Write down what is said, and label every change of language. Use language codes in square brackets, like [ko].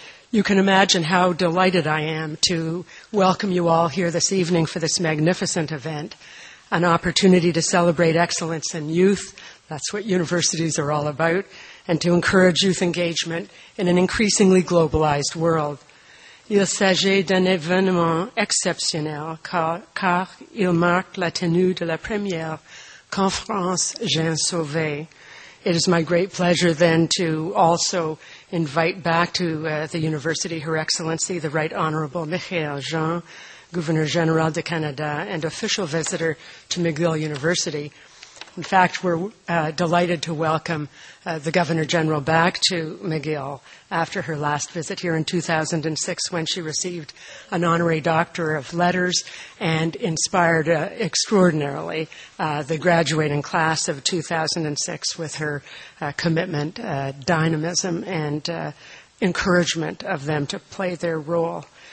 [en] You can imagine how delighted I am to welcome you all here this evening for this magnificent event, an opportunity to celebrate excellence in youth. That's what universities are all about, and to encourage youth engagement in an increasingly globalized world. [fr] Il s'agit d'un événement exceptionnel car il marque la tenue de la première conférence Jean Sauvé. [en] It is my great pleasure then to also invite back to the University Her Excellency the Right Honorable Michael Jean, Governor General de Canada and official visitor to McGill University. In fact, we're delighted to welcome the Governor General back to McGill after her last visit here in 2006 when she received an honorary Doctor of Letters and inspired extraordinarily the graduating class of 2006 with her commitment, dynamism, and encouragement of them to play their role.